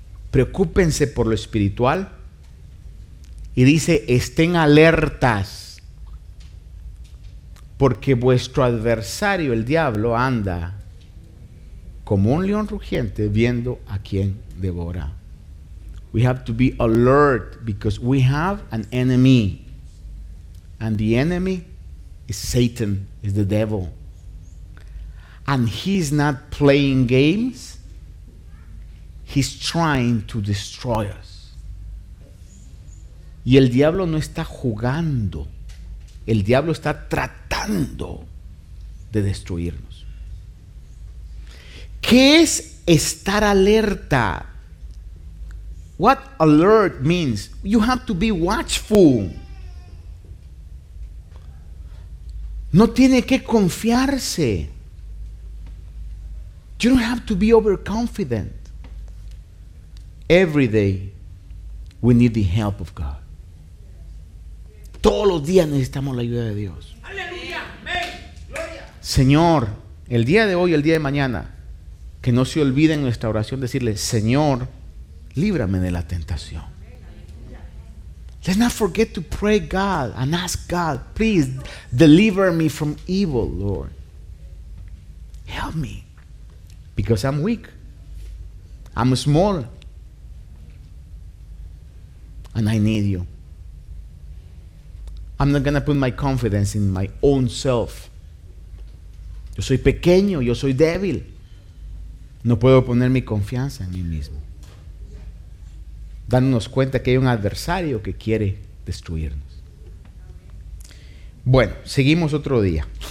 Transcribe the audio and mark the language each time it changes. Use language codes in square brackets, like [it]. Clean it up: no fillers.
[es] Preocúpense por lo espiritual. Y dice, estén alertas, porque vuestro adversario, el diablo, anda como un león rugiente viendo a quien devora. [en] We have to be alert because we have an enemy. And the enemy is Satan, is the devil. And he is not playing games. He's trying to destroy us. [es] Y el diablo no está jugando. El diablo está tratando de destruirnos. ¿Qué es estar alerta? [en] What alert means? You have to be watchful. [es] No tiene que confiarse. [en] You don't have to be overconfident. Every day, we need the help of God. [es] Todos los días necesitamos la ayuda de Dios. ¡Aleluya! ¡Amén! ¡Gloria! Señor, el día de hoy, el día de mañana, que no se olvide en nuestra oración decirle, Señor, líbrame de la tentación. [en] Let's not forget to pray God and ask God, please deliver me from evil, Lord. Help me. Because I'm weak. I'm small. And I need you. I'm not going to put my confidence in my own self. [es] Yo soy pequeño, yo soy débil. No puedo poner mi confianza en mí mismo. Dándonos cuenta que hay un adversario que quiere destruirnos. Bueno, seguimos otro día.